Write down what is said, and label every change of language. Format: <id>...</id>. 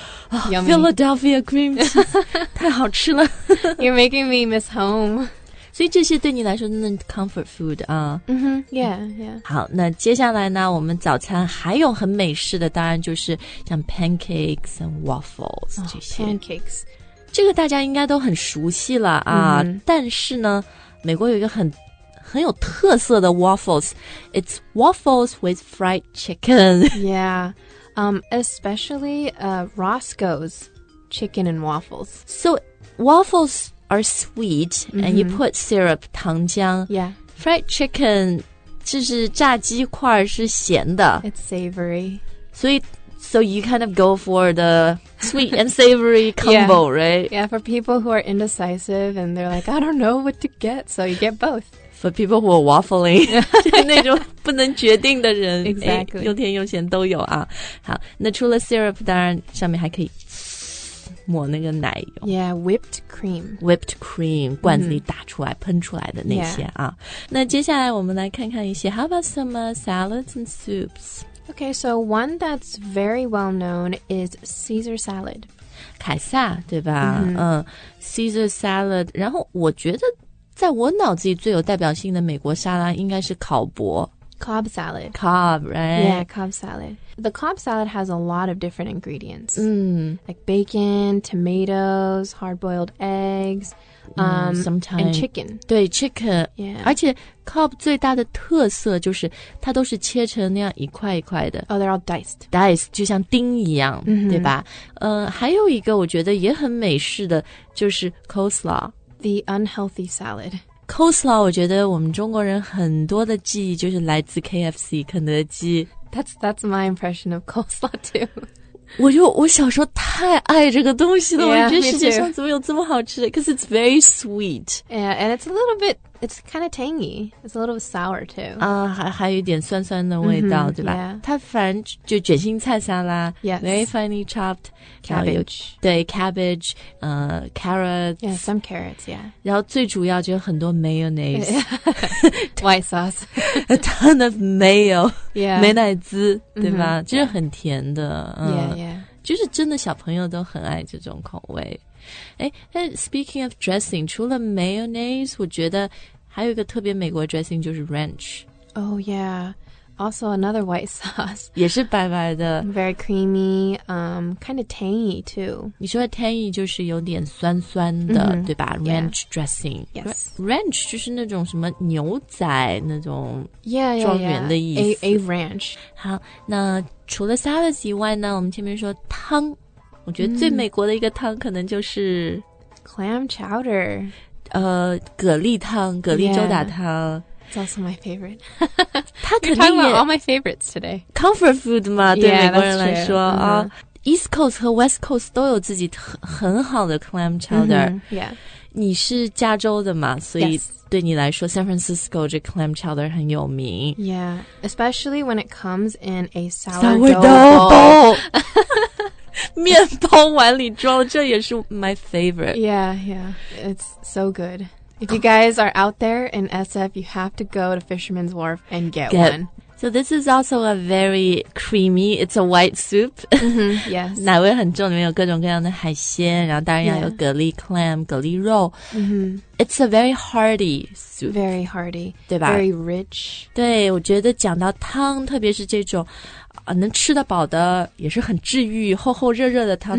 <zh>Philadelphia cream cheese 太好吃了</zh> <en>You're making me miss home</en> <zh>所以这些对你来说真的</zh> <en>comfort food</en> <zh>啊。嗯哼 ，yeah。好，那接下来呢，我们早餐还有很美式的，当然就是像</zh> <en>pancakes and waffles</en> <zh>这些。</zh> <en>Pancakes，</en> <zh>这个大家应该都很熟悉了啊。Mm-hmm. 但是呢，美国有一个很有特色的 waffles，</zh> <en>it's waffles with fried chicken. Yeah, especially Roscoe's chicken and waffles. So waffles are sweet, mm-hmm. and you put syrup,</en> <zh>糖浆.</zh> <en>Yeah, fried chicken</en> <zh>就是炸鸡块是咸的.</zh> <en>It's savory. So you kind of go for the sweet and savory combo, yeah. right? Yeah, for people who are indecisive and they're like, I don't know what to get, so you get both. For people who are waffling,</en> <zh>那种不能决定的人</zh> <en>exactly.</en> <zh>哎，又甜又咸都有啊。好，那除了 syrup, 当然上面还可以抹那个奶油。</zh> <en>Yeah, whipped cream.</en> <zh>Whipped cream, 罐子里打出来、喷出来的那些啊。</zh> <en>Yeah.</en> <zh>那接下来我们来看看一些</zh> <en>How about some salads and soups? Okay, so one that's very well known is Caesar salad.</en> <zh>凯撒，对吧？Mm-hmm. Caesar salad, 然后我觉得在我脑子里最有代表性的美国沙拉应该是烤博。</zh> <en>Cobb salad. Cobb, right? Yeah, Cobb salad. The Cobb salad has a lot of different ingredients.、 Mm. Like bacon, tomatoes, hard-boiled eggs,、 sometimes. And chicken.</en> <zh>对, chicken.</zh> <en>Yeah.</en> <zh>而且 Cobb 最大的特色就是它都是切成那样一块一块的。</zh> <en>Oh, they're all diced.</en> <zh>Diced, 就像丁一样、mm-hmm. 对吧、还有一个我觉得也很美式的就是 coleslaw。</zh> <en>The unhealthy salad.</en> <zh>Coleslaw, 我觉得我们中国人很多的记忆就是来自 KFC, 肯德基。</zh> <en>That's my impression of coleslaw too.</en> <zh>我小时候太爱这个东西了</zh> <en>yeah,</en> <zh>我觉得世界上怎么有这么好吃的</zh> <en>Because it's very sweet. Yeah, and it's a little bit, it's kind of tangy. It's a little sour too.</en> <zh>还有一点酸酸的味道、 mm-hmm, 对吧、</zh> <en>yeah.</en> <zh>它反正就卷心菜沙拉</zh> <en>Yes. Very finely chopped. Cabbage. 对 cabbage,、carrots. Yeah, some carrots, yeah. 然后最主要就有很多 mayonnaise. White sauce. A ton of mayo. Yeah.</en> <zh>美乃滋对吧、mm-hmm. 就是很甜的、</zh> <en>Yeah, yeah.</en> <zh>就是真的小朋友都很爱这种口味。哎</zh> <en>speaking of dressing,</en> <zh>除了 mayonnaise, 我觉得还有一个特别美国 dressing 就是 ranch.</zh> <en>Oh, yeah. Also another white sauce.</en> <zh>也是白白的。</zh> <en>Very creamy, kind of tangy too.</en> <zh>你说的 tangy 就是有点酸酸的、 mm-hmm. 对吧 ?ranch、</zh> <en>yeah. dressing. Yes.</en> <zh>Ranch 就是那种什么牛仔那种庄园的意思。</zh> <en>Yeah, yeah, yeah. A ranch.</en> <zh>好那除了 salads 以外呢我们前面说汤。我觉得最美国的一个汤可能就是、 clam chowder, 蛤蜊汤，蛤蜊粥打汤。</zh> <en>Yeah, it's also my favorite.</en> <zh>它肯定也</zh> <en>all my favorites today. Comfort food 嘛， yeah,</en> <zh>对美国人来说啊、 mm-hmm. ，East Coast 和 West Coast 都有自己很好的 clam chowder.、</zh> <en>Mm-hmm, yeah,</en> <zh>你是加州的嘛，所以对你来说 ，San Francisco 这 clam chowder 很有名。</zh> <en>Yeah, especially when it comes in a sourdough bowl.</en> <zh>面包碗里装这也是</zh> <en>my favorite. Yeah, yeah. It's so good. If you guys are out there in SF, you have to go to Fisherman's Wharf and get one. So this is also a very creamy, it's a white soup. Mm-hmm, yes.</en> <zh>奶味很重里面有各种各样的海鲜然后当然要有蛤蜊 clam, 蛤蜊肉。 Mm-hmm.</zh> <en>It's a very hearty soup. Very hearty.</en> <zh>对吧</zh> <en>Very rich.</en> <zh>对我觉得讲到汤特别是这种能吃得饱的也是很治愈厚厚热热的汤、</zh>